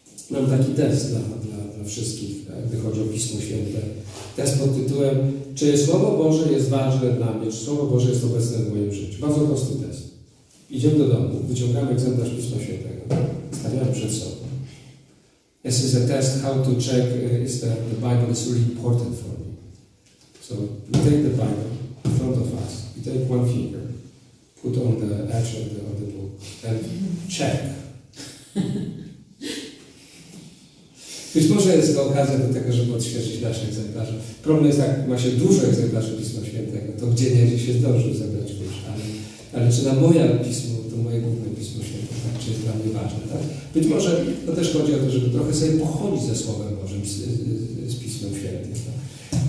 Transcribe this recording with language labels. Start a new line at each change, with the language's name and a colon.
Polish: Mam taki test dla wszystkich, gdy chodzi o Pismo Święte. Test pod tytułem: czy Słowo Boże jest ważne dla mnie? Czy Słowo Boże jest obecne w moim życiu? Bardzo prosty test. Idziemy do domu, wyciągamy egzemplarz Pisma Świętego, stawiamy przed sobą.
English: This is a test, how to check is that the Bible is really important for me. So, we take the Bible in front of us, we take one finger, put on the edge of the book, and check.
Polish: Być może jest to okazja do tego, żeby odświeżyć nasze egzemplarze. Problem jest, jak ma się dużo egzemplarzy Pisma Świętego, to gdzie nie się zdążył zebrać już. Ale czy na moje pismo, to moje główne Pismo Święte, tak, czy jest dla mnie ważne, tak? Być może to też chodzi o to, żeby trochę sobie pochodzić ze Słowem Bożym, z Pismem Świętym. Tak?